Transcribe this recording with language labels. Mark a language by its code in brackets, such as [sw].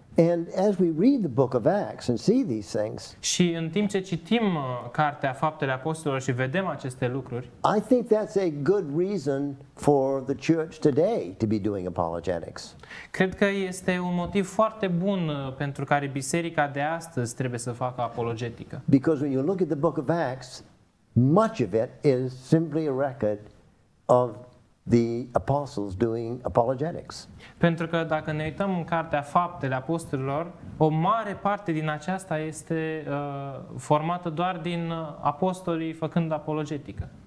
[en] And as we read the book of Acts and see these things, [ro] și în timp ce citim cartea Faptele Apostolilor și vedem aceste lucruri, [en] I think that's a good reason for the church today to be doing apologetics. [ro] Cred că este un motiv foarte bun pentru care biserica de astăzi trebuie să facă apologetică. [en] Because when you look at the book of Acts, much of it is simply a record of the apostles doing apologetics. [ro] Pentru că dacă ne uităm în cartea Faptele Apostolilor, o mare parte din aceasta este formată doar din apostolii făcând apologetică.